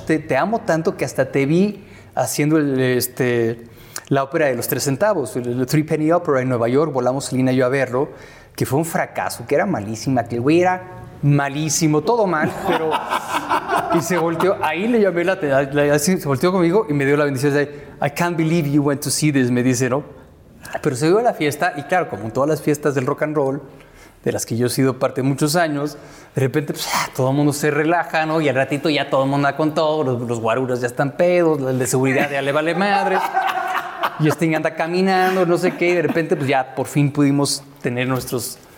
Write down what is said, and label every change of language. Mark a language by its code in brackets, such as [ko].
[es] Te amo tanto que hasta te vi haciendo la ópera de los 3 centavos, el Three Penny Opera en Nueva York. Volamos Selena y yo a verlo, que fue un fracaso, que era malísima, que el güey era malísimo, todo mal, pero... Y se volteó, ahí le llamé la atención, se volteó conmigo y me dio la bendición. De, [en] I can't believe you went to see this, [es] me dice, ¿no? Pero se dio a la fiesta y claro, como en todas las fiestas del rock and roll, de las que yo he sido parte muchos años, de repente pues, todo el mundo se relaja, ¿no? Y al ratito ya todo el mundo anda con todo, los guaruras ya están pedos, el de seguridad ya le vale madre. Y este niño anda caminando, no sé qué, y de repente pues ya por fin pudimos tener nuestros...